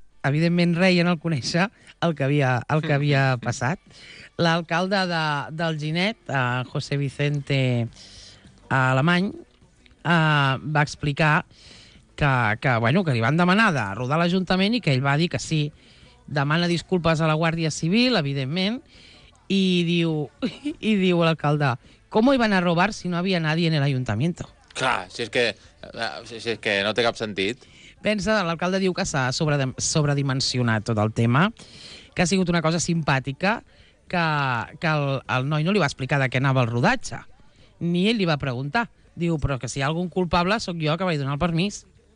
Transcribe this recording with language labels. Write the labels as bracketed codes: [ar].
[ca] Evidentment, reien al conèixer el que havia passat. L'alcalde d'Alginet, José Vicente Alemany, va explicar que li van demanar de rodar l'Ajuntament i que ell va dir que sí. Demana disculpes a la Guàrdia Civil, evidentment, i diu l'alcalde, [es] ¿cómo iban a robar si no había nadie en el Ayuntamiento? [ca] Clar, si és que no té cap sentit... Pensa, l'alcalde diu que s'ha sobredimensionat tot el tema, que ha sigut una cosa simpàtica, que el noi no li va explicar de què anava el rodatge, ni ell li va preguntar. Diu, però que si hi ha algun culpable sóc jo que vaig donar el permís.